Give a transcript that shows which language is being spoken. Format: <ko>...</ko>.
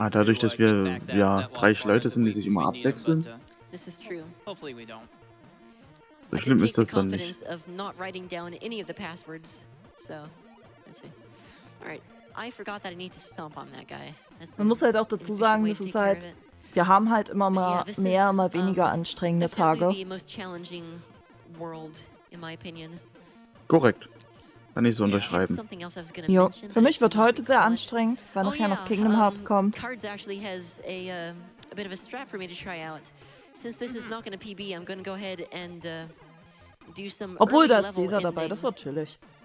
<de>Ah, dadurch, dass wir ja drei Leute sind, die sich immer abwechseln.</de> <en>This is true. Hopefully we don't.</en> <de>So schlimm ist das dann nicht.</de> <en>Of not writing down any of the passwords. So, let's see. All right. I forgot that I need to stomp on that guy.</en> <de>Man muss halt auch dazu sagen, das ist halt, wir haben halt immer mal mehr, mal weniger anstrengende Tage.</de> <en>The most challenging world, in my opinion.</en> <de>Korrekt. Kann ich so unterschreiben. Jo. Für mich wird heute sehr anstrengend, weil nachher noch Kingdom Hearts kommt.</de> <en>Cards actually has a bit of a strat for me to try out. Since this is not gonna PB, I'm gonna go ahead and do some.</en> <de>Obwohl, da ist dieser dabei, das war chillig.</de>